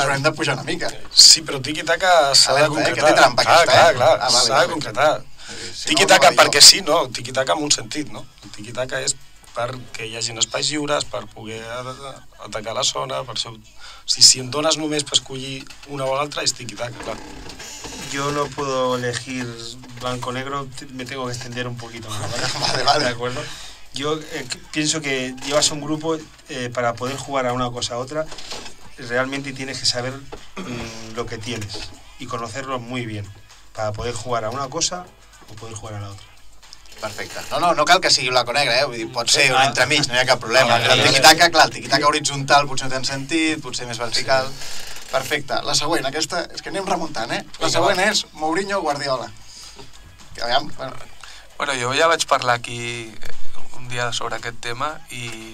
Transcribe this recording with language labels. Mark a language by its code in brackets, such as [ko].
[ca] Ja, hem de pujar una mica. Sí, però tiki-taka s'ha de concretar. Que té trampa, clar, aquesta, clar, eh? Clar, clar, s'ha de concretar. Sí, tiki-taka no, perquè sí, no, tiki-taka amb un sentit, no? Tiki-taka és perquè hi hagi espais lliures, per poder atacar la zona, per això... Si em dones només per escollir una o l'altra, és tiqui-taca, clar. [es] Yo no puedo elegir blanco o negro, me tengo que extender un poquito. ¿No? Vale, vale. ¿De acuerdo? Yo pienso que llevas un grupo para poder jugar a una cosa a otra, realmente tienes que saber lo que tienes y conocerlo muy bien para poder jugar a una cosa o poder jugar a la otra. [ca] Perfecte. No, no, no cal que sigui blanc o negre, eh? Vull dir, pot ser un entremig, no hi ha cap problema. El tiqui-taca, clar, el tiqui-taca horitzontal potser no té sentit, potser més vertical. Sí. Perfecte. La següent, aquesta, és que anem remuntant, eh? La següent és Mourinho o Guardiola. Aviam. Bueno, jo ja vaig parlar aquí un dia sobre aquest tema i...